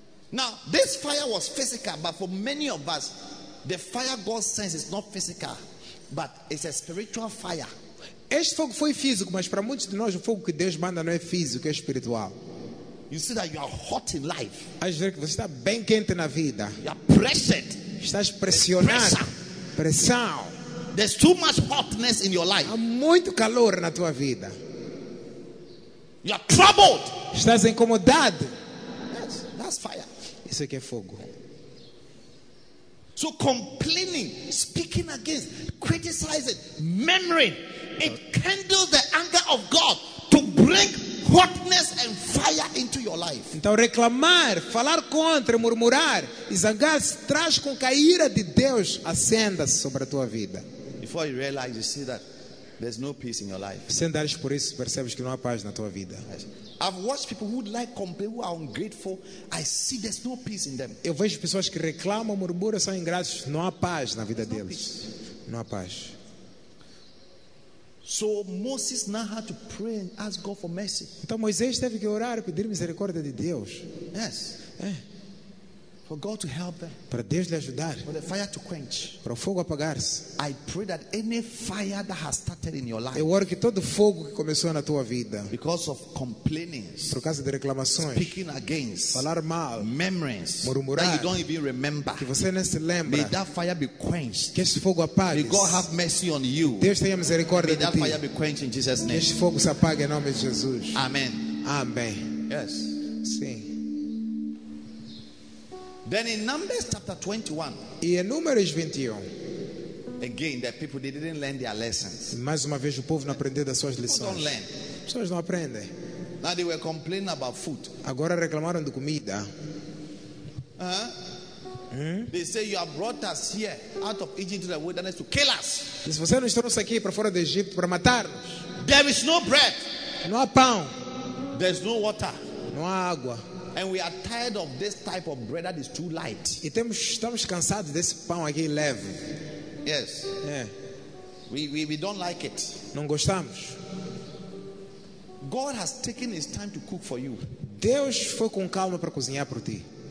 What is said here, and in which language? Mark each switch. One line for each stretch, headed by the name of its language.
English: Now this fire was physical, but for many of us, the fire God sends is not physical. But it's a spiritual fire.
Portuguese: Este fogo foi físico, mas para muitos de nós o fogo que Deus manda não é físico, é espiritual.
English: You see that you are hot in life.
Portuguese: Às vezes você está bem quente na vida.
English: You are pressured.
Portuguese: Estás pressionado. Pressão.
English: There's too much hotness in your life.
Portuguese: Há muito calor na tua vida.
English: You are troubled.
Portuguese: Estás incomodado.
English: That's fire.
Portuguese: Isso aqui é fogo.
English: So complaining, speaking against, criticizing, murmuring, it kindles the anger of God to bring hotness and fire into your life.
Portuguese: Então reclamar, falar contra, murmurar e zangar-se traz com que a ira de Deus acenda sobre a tua vida.
English: Before you realize, you see that there's no peace in your life.
Portuguese: Sem dares por isso, percebes que não há paz na tua vida.
English: I've watched people who like complain, who are ungrateful. I see there's no peace in them.
Portuguese: Eu vejo pessoas que reclamam, murmuram, são ingratos. Não há paz na vida deles. Não há paz.
English: So Moses now had to pray and ask God for mercy.
Portuguese: Então Moisés teve que orar e pedir misericórdia de Deus.
English: Yes.
Portuguese: É.
English: For God to help them.
Portuguese: Para Deus lhe ajudar.
English: For the fire to quench.
Portuguese: Para o fogo apagar-se.
English: I pray that any fire that has started in your life.
Portuguese: Eu oro que todo fogo que começou na tua vida.
English: Because of complainings.
Portuguese: Por causa de reclamações.
English: Speaking against.
Portuguese: Falar mal.
English: Memories.
Portuguese: Murmurar.
English: That you don't even remember.
Portuguese: Que você nem se lembra.
English: May that fire be quenched.
Portuguese: Que esse fogo apague.
English: May God have mercy on you.
Portuguese: Deus tenha misericórdia de ti.
English: May that fire be quenched in Jesus' name.
Portuguese: Que esse fogo se apague em nome de Jesus.
English: Amen.
Portuguese: Amém.
English: Yes.
Portuguese: Sim.
English: Then in Numbers chapter 21.
Portuguese: E em Números 21.
English: Again, the people, they didn't learn their lessons.
Portuguese: Mais uma vez o povo não aprendeu das suas lições.
English: Don't learn.
Portuguese: As pessoas não aprendem.
English: Now they were complaining about food.
Portuguese: Agora reclamaram de comida.
English: They say you have brought us here out of Egypt to the wilderness to kill us.
Portuguese: Diz, você nos trouxe aqui para fora do Egito para matar-nos.
English: There is no bread.
Portuguese: Não há pão.
English: There's no water.
Portuguese: Não há água.
English: And we are tired of this type of bread that is too light.
Portuguese: E estamos cansados desse pão aqui leve.
English: Yes. Yeah. We don't like it.
Portuguese: Não gostamos.
English: God has taken his time to cook for you.
Portuguese: Deus foi com calma para cozinhar para ti.